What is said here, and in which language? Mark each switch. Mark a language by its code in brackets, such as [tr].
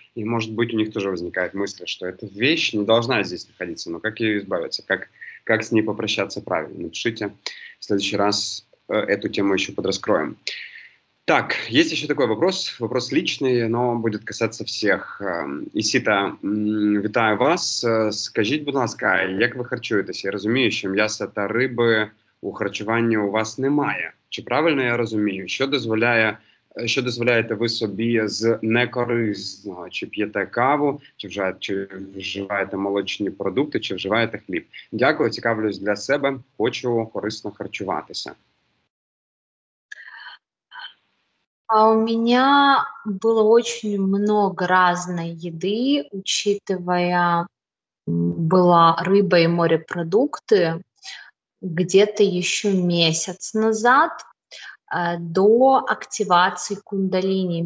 [ru] И, может быть, у них тоже возникает мысль, что эта вещь не должна здесь находиться, но как ее избавиться, как с ней попрощаться правильно? Напишите, в следующий раз эту тему еще подраскроем. Так, есть еще такой вопрос, вопрос личный, но он будет касаться всех. [uk] Ісіта, вітаю вас. Скажіть, будь ласка, як ви харчуєтеся? Я розумію, що м'яса та риби у харчуванні у вас немає. Чи правильно я розумію? Що дозволяєте ви собі з некоризного? Чи п'єте каву, чи вживаєте молочні продукти, чи вживаєте хліб? Дякую, цікавлюсь для себе, хочу корисно харчуватися. [ru] А у меня было очень много разной еды, учитывая была рыба и морепродукты где-то еще месяц назад, до активации кундалини.